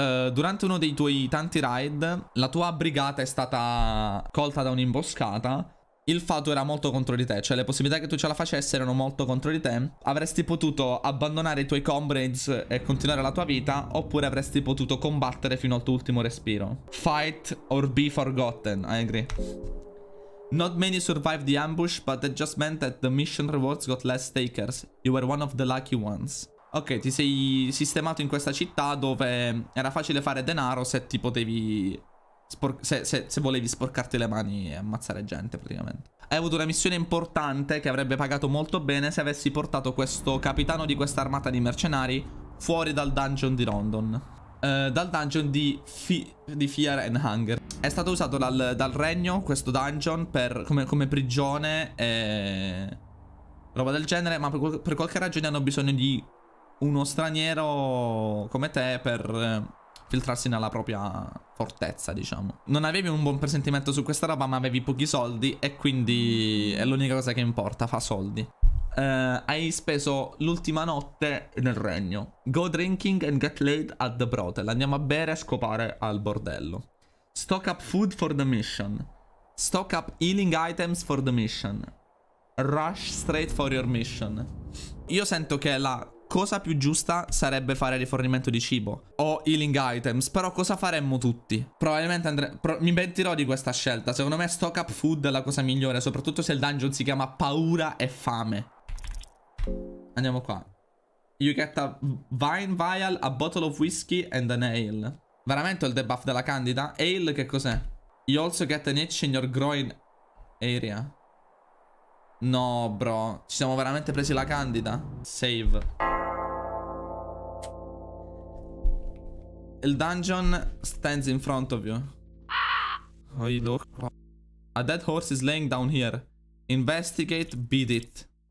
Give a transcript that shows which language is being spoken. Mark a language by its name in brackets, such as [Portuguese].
[Italian] Durante uno dei tuoi tanti raid, la tua brigata è stata colta da un'imboscata. Il fatto era molto contro di te, cioè le possibilità che tu ce la facessi erano molto contro di te. Avresti potuto abbandonare i tuoi comrades e continuare la tua vita, oppure avresti potuto combattere fino al tuo ultimo respiro. [English] Fight or be forgotten, I agree. Not many survived the ambush, but that just meant that the mission rewards got less takers. You were one of the lucky ones. [Italian] Ok, ti sei sistemato in questa città dove era facile fare denaro se ti potevi... Se volevi sporcarti le mani e ammazzare gente, praticamente. Hai avuto una missione importante che avrebbe pagato molto bene se avessi portato questo capitano di questa armata di mercenari fuori dal dungeon di London. Dal dungeon di Fear and Hunger. È stato usato dal regno, questo dungeon, come prigione e roba del genere. Ma per qualche ragione hanno bisogno di uno straniero come te per filtrarsi nella propria fortezza, diciamo. Non avevi un buon presentimento su questa roba, ma avevi pochi soldi e quindi è l'unica cosa che importa, fa soldi. Hai speso l'ultima notte nel regno. [English] Go drinking and get laid at the brothel. [Italian] Andiamo a bere e scopare al bordello. [English] Stock up food for the mission. Stock up healing items for the mission. Rush straight for your mission. [Italian] Io sento che la cosa più giusta sarebbe fare rifornimento di cibo o healing items. Però cosa faremmo tutti? Probabilmente mi pentirò di questa scelta. Secondo me [English] stock up food [Italian] è la cosa migliore, soprattutto se il dungeon si chiama paura e fame. Andiamo qua. [English] You get a vine vial, a bottle of whiskey and an ale. [Italian] Veramente il debuff della candida? Ale che cos'è? [English] You also get an itch in your groin area. [Italian] No bro, ci siamo veramente presi la candida? [English] Save. Il dungeon stands in front of you. Oh, you look. A dead horse is laying down here. Investigate, beat it.